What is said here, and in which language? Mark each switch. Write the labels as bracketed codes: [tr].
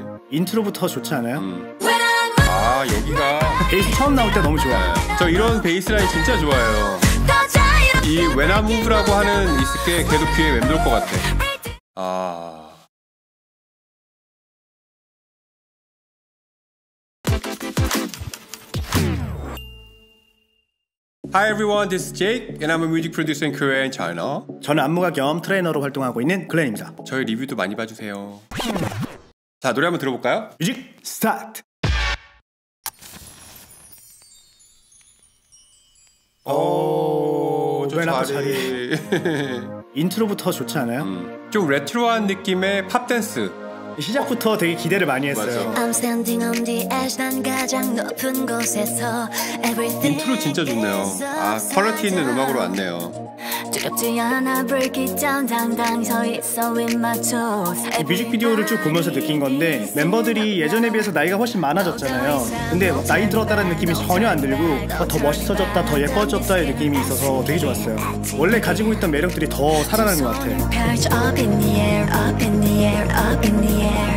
[ko] 인트로부터 좋지 않아요? 아 여기가 베이스 처음 나올 때 너무 좋아요. 저 이런 베이스라인 진짜 좋아요. 이 웬 아무브라고 하는 이스께 걔도 귀에 맴돌 것 같아. [en] 아 Hi everyone, this is Jake, and I'm a music producer in Korea and China. [ko] 저는 안무가 겸 트레이너로 활동하고 있는 글렌입니다. 저희 리뷰도 많이 봐주세요. 자, 노래 한번 들어볼까요? 뮤직 스타트! 오, 저 자리. 인트로부터 좋지 않아요? 좀 레트로한 느낌의 팝댄스. 시작부터 되게 기대를 많이 했어요. [en] I'm standing on the edge, [ko] 난 가장 높은 곳에서 everything. 인트로 진짜 좋네요. 아, 퀄리티 있는 음악으로 왔네요. 두렵지 않아, [en] break it down, [ko] 당당히 서 있어 [en] with my toes. [ko] 뮤직비디오를 쭉 보면서 느낀 건데 멤버들이 예전에 비해서 나이가 훨씬 많아졌잖아요. 근데 나이 들었다는 느낌이 전혀 안 들고 더 멋있어졌다, 더 예뻐졌다의 느낌이 있어서 되게 좋았어요. 원래 가지고 있던 매력들이 더 살아나는 것 같아요. [en] Up in the air, up in the air, up in the air.